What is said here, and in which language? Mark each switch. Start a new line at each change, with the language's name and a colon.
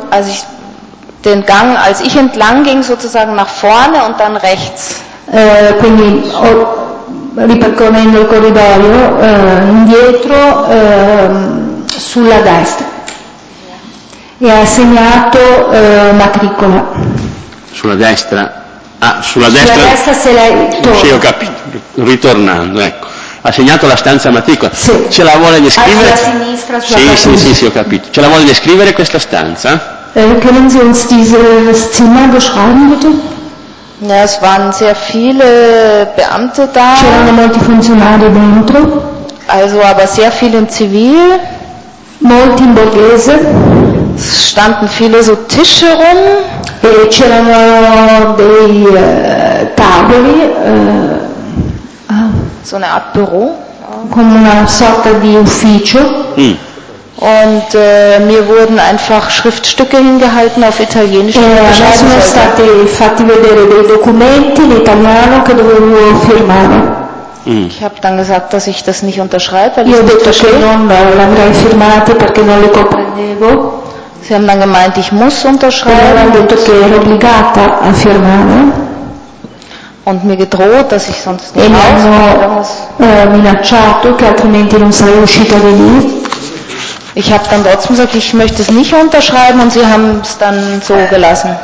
German: Also ich den Gang, als ich entlang ging, sozusagen nach vorne und dann rechts.
Italian: Quindi ripercorrendo il corridoio indietro sulla destra. E ha segnato matricola. Sulla destra. Sulla destra se l'hai tolto. Sì, ho capito. Ritornando, ecco. Ha segnato la stanza matricola. Sì. Ce la vuole descrivere? Sulla sinistra, sulla destra. Sì, ho capito. Ce la vuole descrivere questa stanza?
German: Können Sie uns dieses Zimmer beschreiben, bitte? Ja, es waren sehr viele Beamte da.
Italian: C'erano molti funzionari dentro.
German: Also, aber sehr viel in Zivil.
Italian: Molti in borghese.
German: Es standen viele so Tische rum.
Italian: E c'erano dei tavoli.
German: So eine Art Büro.
Italian: Con una sorta di ufficio. Mm.
German: Und mir wurden einfach Schriftstücke hingehalten auf Italienisch.
Italian: Sono stati fatti vedere dei documenti in italiano che dovevo firmare.
German: Ich habe dann gesagt, dass ich das nicht unterschreibe.
Italian: Io ho detto che non l'avrei firmato perché non le comprendevo.
German: Sie haben dann gemeint, ich muss unterschreiben.
Italian: Hanno detto che ero obbligata a firmare.
German: Und mir gedroht, dass ich sonst nicht rauskomme.
Italian: E mi hanno minacciato che altrimenti non sarei uscita di lì.
German: Ich habe dann trotzdem gesagt, ich möchte es nicht unterschreiben und sie haben es dann so gelassen.